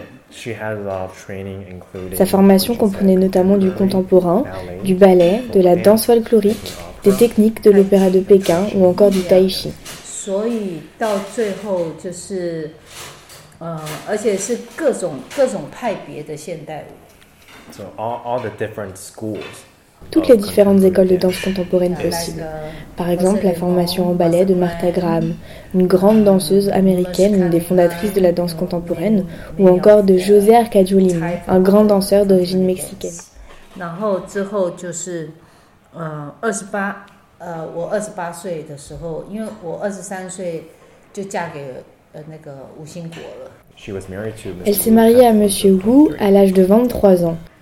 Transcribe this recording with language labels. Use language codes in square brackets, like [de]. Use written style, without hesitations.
[en] She had a lot of training, including. [fr] Sa formation comprenait notamment du contemporain, du ballet, de la danse folklorique, des techniques de l'opéra de Pékin ou encore du tai chi. [en] So all the different schools. [fr] toutes les différentes écoles de danse contemporaine possibles. Par exemple, la formation en ballet de Martha Graham, une grande danseuse américaine, une des fondatrices de la danse contemporaine, ou encore de José Arcadio Lima, un grand danseur d'origine mexicaine. Elle s'est mariée à Monsieur Wu à l'âge de 23 ans.